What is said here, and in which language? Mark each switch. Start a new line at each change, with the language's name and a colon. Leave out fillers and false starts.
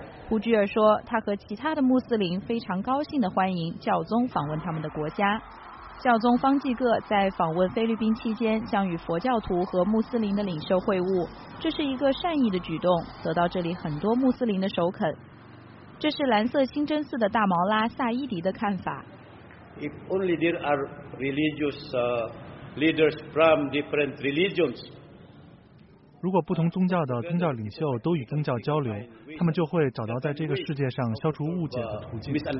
Chinese: 胡吉尔说，他和其他的穆斯林非常高兴地欢迎教宗访问他们的国家。教宗方济各在访问菲律宾期间将与佛教徒和穆斯林的领袖会晤，这是一个善意的举动，得到这里很多穆斯林的首肯。这是蓝色清真寺的大毛拉萨伊迪的看法。
English: If only there are religious leaders from different religions.
Chinese: 如果不同宗教的宗教领袖都与宗教交流，他们就会找到在这个世界上消除误解的途径。